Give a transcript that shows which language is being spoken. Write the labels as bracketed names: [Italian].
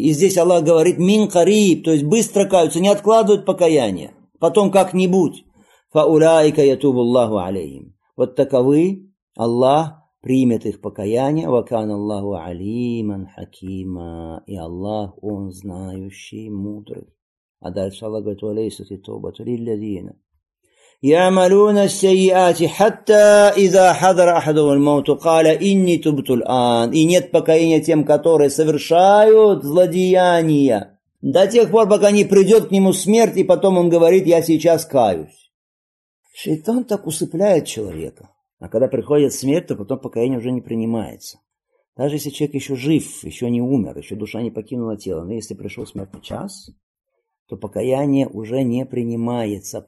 [Russian] И здесь Аллах говорит [Arabic] мин кариб, [Russian] то есть быстро каются, не откладывают покаяние. Потом как-нибудь. [Arabic] Фа уляйка ятубу Аллаху алейхим. [Russian] Вот таковы Аллах примет их покаяние, [Arabic] وكان الله عليما حكيما, [Russian] и Аллах, Он знающий, мудрый. А дальше Аллах говорит, [Arabic] وليست التوبة للذين يعملون السيئات حتى إذا حضر أحدهم الموت قال إني تبت الآن. [Russian] И нет покаяния тем, которые совершают злодеяния, до тех пор, пока не придет к нему смерть, и потом он говорит, я сейчас каюсь. Шайтан так усыпляет человека. А когда приходит смерть, то потом покаяние уже не принимается. Даже если человек еще жив, еще не умер, еще душа не покинула тело, но если пришел смертный час, то покаяние уже не принимается.